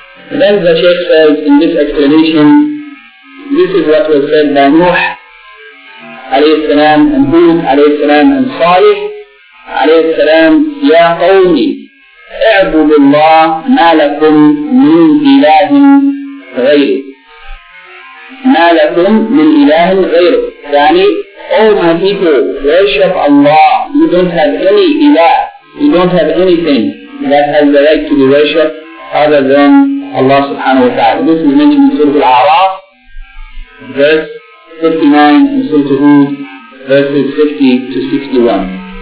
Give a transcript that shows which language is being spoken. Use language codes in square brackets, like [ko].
[en] Then the Shaykh says in this explanation, this is what was said by Nuh alayhi salam, and Hud alayhi salam, and Salih alayhi salam, [ar] Ya qawmi, اعبدوا الله ما لكم من إله غيره. ما لكم من إله غيره, يعني [en] all my people, worship Allah. You don't have any ilah, you don't have anything that has the right to be worshipped other than Allah subhanahu wa ta'ala. This is mentioned in Surah Al-A'raf, verse 59, and Surah Hud, verses 50 to 61.